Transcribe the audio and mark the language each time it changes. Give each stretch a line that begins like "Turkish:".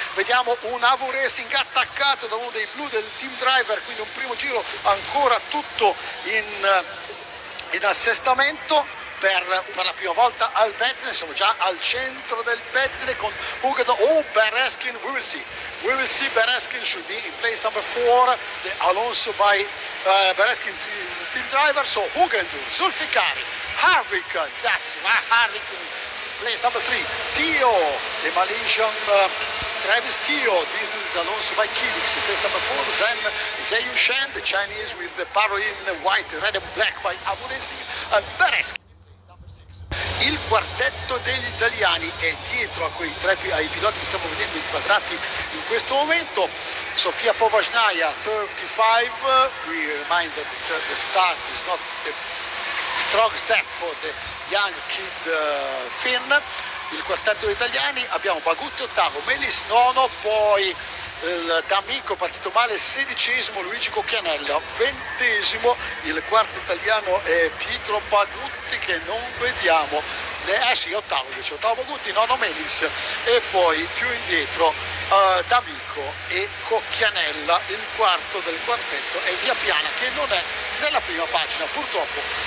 Italian: Vediamo un AV Racing attaccato da uno dei blu del team driver, quindi un primo giro ancora tutto in assestamento. Per la prima volta al pettine, siamo già al centro del pettine con Hugo.
English: Oh, Bereskin, we will see Bereskin should be in place number 4, the Alonso by Bereskin team driver, so Hugo, Zulfikari, Harvick, Zazzi, ma Harvick in place number 3, Tio, the Malaysian Travis Tio, this is the Alonso by Kidix, first number 4, then Zeyu Shen, the Chinese with the Parolin white, red and black by AV Racing, and Bereskin.
Italian: Il quartetto degli italiani è dietro a quei tre, ai piloti che stiamo vedendo inquadrati in questo momento.
English: Sofia Povajnaya 35, we remind that the start is not the strong step for the young kid Finn.
Italian: Il quartetto degli italiani, abbiamo Bagutti ottavo, Melis nono, poi il D'Amico partito male sedicesimo, Luigi Cocchianella ventesimo, il quarto italiano è Pietro Bagutti che non vediamo, ottavo invece, ottavo Bagutti, nono Melis e poi più indietro D'Amico e Cocchianella, il quarto del quartetto è Via Piana che non è nella prima pagina purtroppo.